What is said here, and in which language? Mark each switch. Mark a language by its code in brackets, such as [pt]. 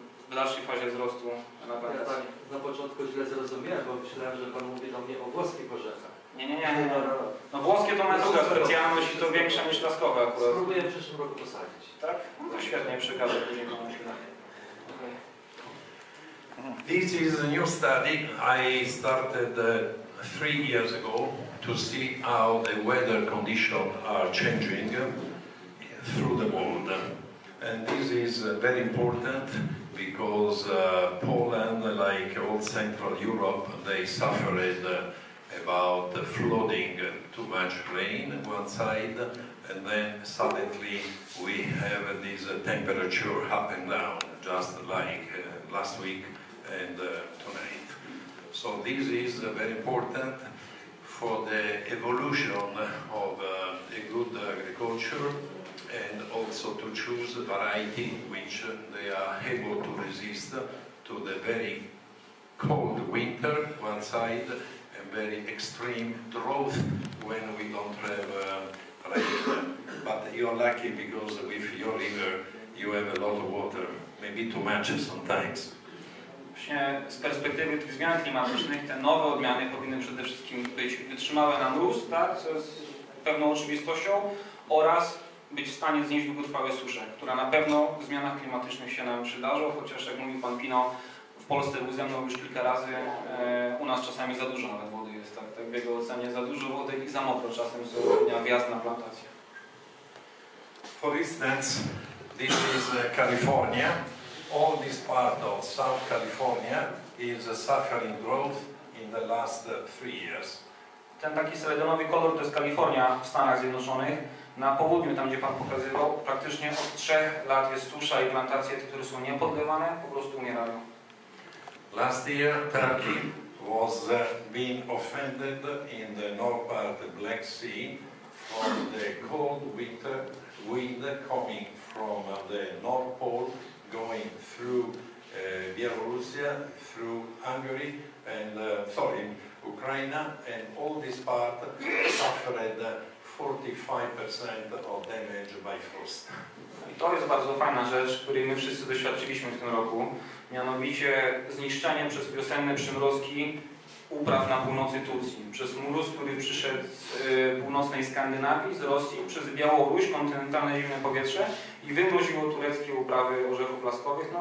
[pl] W dalszej fazie wzrostu na plantacji. Ja tak na początku źle zrozumiałem, bo myślałem, że pan mówi do mnie o włoskich orzechach. Nie. No włoskie to ma druga specjalność i to większe niż laskowe akurat. Spróbuję w przyszłym roku posadzić. Tak? No to świetnie, przekażę później panu pytanie. [en] Okay. This is a new study. I started 3 years ago to see how the weather conditions are changing through the world. And this is very important, because Poland, like all Central Europe, they suffered about flooding, too much rain one side, and then suddenly we have this temperature up and down, just like last week and tonight. So this is very important for the evolution of a good agriculture, and also to choose a variety which they are able to resist to the very cold winter one side and very extreme drought when we don't have rain. But you're lucky because with your river you have a lot of water, maybe too much sometimes. [pl] Właśnie z perspektywy tych zmian klimatycznych te nowe odmiany powinny przede wszystkim być wytrzymałe na mróz, tak, co jest pewną oczywistością, oraz być w stanie znieść długotrwałe susze, która na pewno w zmianach klimatycznych się nam przydarzą, chociaż jak mówił pan Pino, w Polsce był ze mną już kilka razy, u nas czasami za dużo nawet wody jest, tak, tak w jego ocenie, za dużo wody i za mokro czasem są dnia wjazd na plantację. [en] For instance, this is California. All this part of South California is suffering drought in the last three years. [pl] Ten taki seledonowy kolor to jest Kalifornia w Stanach Zjednoczonych. Na południu, tam gdzie pan pokazywał, praktycznie od trzech lat jest susza i plantacje, które są niepodlewane, po prostu umierają. [en] Last year Turkey was being offended in the north part of the Black Sea from the cold winter wind coming from the North Pole, going through Bielorussia, through Hungary, and sorry, Ukraine, and all this part suffered 45% of damage by frost. [pl] I to jest bardzo fajna rzecz, której my wszyscy doświadczyliśmy w tym roku, mianowicie zniszczenie przez wiosenne przymrozki upraw na północy Turcji, przez mróz, który przyszedł z północnej Skandynawii, z Rosji, przez Białoruś, kontynentalne zimne powietrze i wymroziło tureckie uprawy orzechów laskowych.